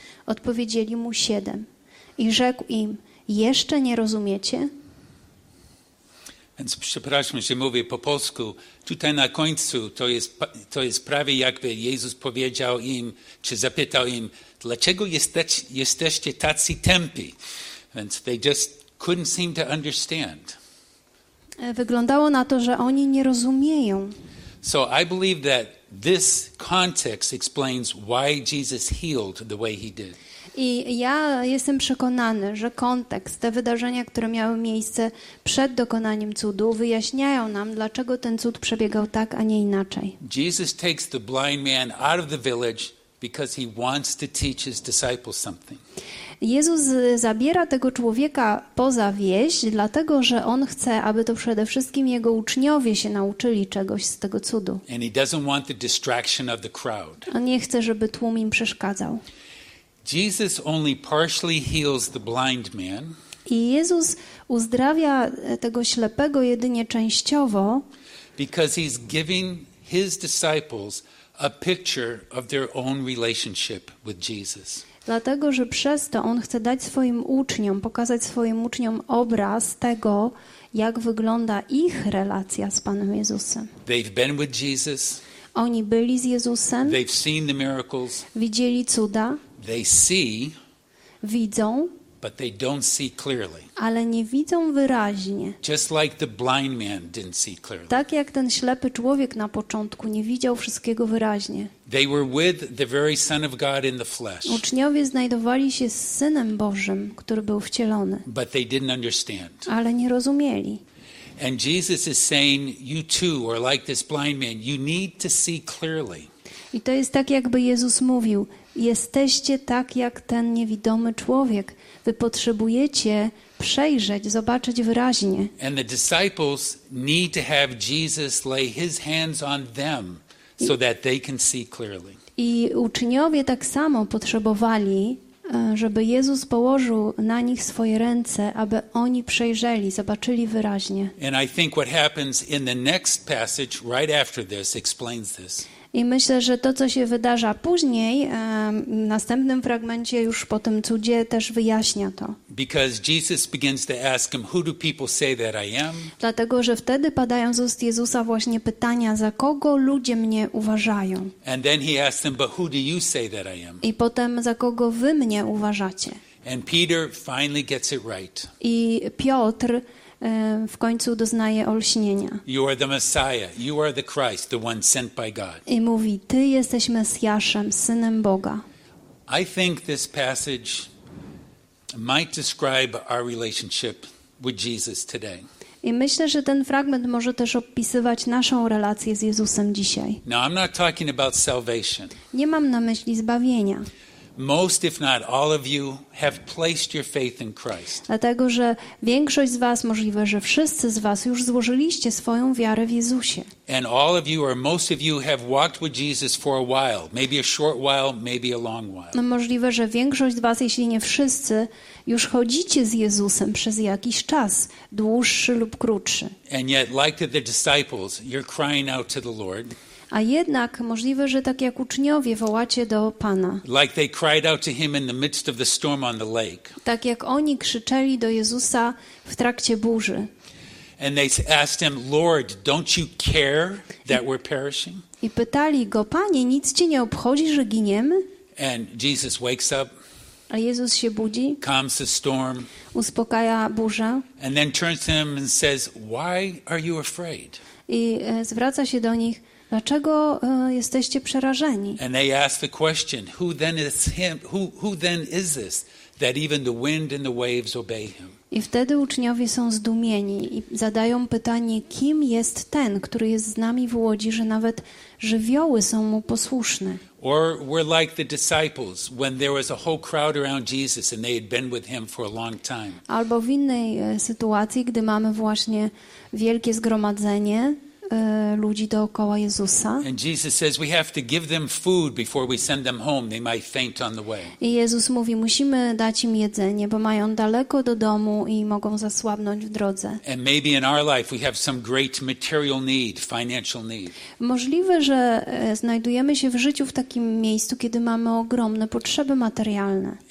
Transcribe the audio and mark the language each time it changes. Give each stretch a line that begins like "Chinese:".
Polish: Odpowiedzieli mu: 7. I rzekł im: jeszcze nie rozumiecie? Więc przepraszam, że mówię po polsku. Tutaj na końcu to jest prawie jakby Jezus powiedział im, czy zapytał im: dlaczego jesteście tacy tępi? Więc
English: they just couldn't seem to understand.
Polish: Wyglądało na to, że oni nie rozumieją.
English: So I believe that this context explains why Jesus healed the way he did.
Polish: I ja jestem przekonany, że kontekst, te wydarzenia, które miały miejsce przed dokonaniem cudu, wyjaśniają nam, dlaczego ten cud przebiegał tak, a nie inaczej.
English: Jesus takes the blind man out of the village because he wants to teach his disciples something.
Polish: Jezus zabiera tego człowieka poza wieś, dlatego że on chce, aby to przede wszystkim jego uczniowie się nauczyli czegoś z tego cudu.
English: And he doesn't want the distraction of the crowd.
Polish: On nie chce, żeby tłum im przeszkadzał.
English: Jesus only partially heals the blind man.
Polish: I Jezus uzdrawia tego ślepego jedynie częściowo,
English: because he's giving his disciples a picture of their own relationship with Jesus.
Polish: Dlatego, że przez to on chce dać swoim uczniom, pokazać swoim uczniom obraz tego, jak wygląda ich relacja z Panem Jezusem.
English: They've been with Jesus.
Polish: Oni byli z Jezusem.
English: They've seen the miracles.
Polish: Widzieli cuda.
English: They see.
Polish: Widzą.
English: but they don't see clearly.
Polish: Ale nie widzą wyraźnie.
English: Just like the blind man didn't see clearly.
Polish: Tak jak ten ślepy człowiek na początku nie widział wszystkiego wyraźnie.
English: They were with the very Son of God in the flesh.
Polish: Uczniowie znajdowali się z Synem Bożym, który był wcielony.
English: But they didn't understand.
Polish: Ale nie rozumieli.
English: And Jesus is saying, you too are like this blind man. You need to see clearly.
Polish: I to jest tak, jakby Jezus mówił: jesteście tak jak ten niewidomy człowiek. Wy potrzebujecie przejrzeć, zobaczyć wyraźnie.
English: And the disciples need to have Jesus lay his hands on them so that they can see clearly.
Polish: I uczniowie tak samo potrzebowali, żeby Jezus położył na nich swoje ręce, aby oni przejrzeli, zobaczyli wyraźnie.
English: And I think what happens in the next passage right after this explains this.
Polish: I myślę, że to, co się wydarza później, w następnym fragmencie już po tym cudzie, też wyjaśnia to.
English: Because Jesus begins to ask him, who do people say that I am?
Polish: Dlatego, że wtedy padają z ust Jezusa właśnie pytania, za kogo ludzie mnie uważają.
English: And then he asks them, but who do you say that I am?
Polish: I potem, za kogo wy mnie uważacie.
English: And Peter finally gets it right.
Polish: I Piotr w końcu doznaje olśnienia.
English: You are the Messiah, you are the Christ, the one sent by God.
Polish: I mówi: ty jesteś Mesjaszem, Synem Boga.
English: I think this passage might describe our relationship with Jesus today.
Polish: I myślę, że ten fragment może też opisywać naszą relację z Jezusem dzisiaj.
English: Now, I'm not talking about salvation.
Polish: Nie mam na myśli zbawienia.
English: Most if not all of you have placed your faith in Christ.
Polish: Dlatego, że większość z was, możliwe, że wszyscy z was już złożyliście swoją wiarę w Jezusie.
English: And all of you or most of you have walked with Jesus for a while, maybe a short while, maybe a long while.
Polish: No, możliwe, że większość z was, jeśli nie wszyscy, już chodzicie z Jezusem przez jakiś czas, dłuższy lub krótszy.
English: And yet like the disciples, you're crying out to the Lord.
Polish: A jednak możliwe, że tak jak uczniowie wołacie do Pana.
English: Like they cried out to him in the midst of the storm on the lake.
Polish: Tak jak oni krzyczeli do Jezusa w trakcie burzy.
English: And they asked him, Lord, don't you care that we're perishing?
Polish: I pytali go: Panie, nic cię nie obchodzi, że giniemy?
English: And Jesus wakes up.
Polish: A Jezus się budzi.
English: Calms the storm.
Polish: Uspokaja burzę.
English: And then turns to them and says, why are you afraid?
Polish: I zwraca się do nich: dlaczego jesteście przerażeni?
English: And they ask the question, who then is him? Who then is this that even the wind and the waves obey him?
Polish: I wtedy uczniowie są zdumieni i zadają pytanie, kim jest ten, który jest z nami w łodzi, że nawet żywioły są mu posłuszne?
English: Or we're like the disciples when there was a whole crowd around Jesus and they had been with him for a long time.
Polish: Albo w innej sytuacji, gdy mamy właśnie wielkie zgromadzenie ludzi dookoła Jezusa.
English: And Jesus says we have to give them food before we send them home. They might faint on the way.
Polish: I Jezus mówi: musimy dać im jedzenie, bo mają daleko do domu i mogą zasłabnąć w drodze.
English: And maybe in our life we have some great material need, financial need.
Polish: Możliwe, że znajdujemy się w życiu w takim miejscu, kiedy mamy ogromne potrzeby materialne.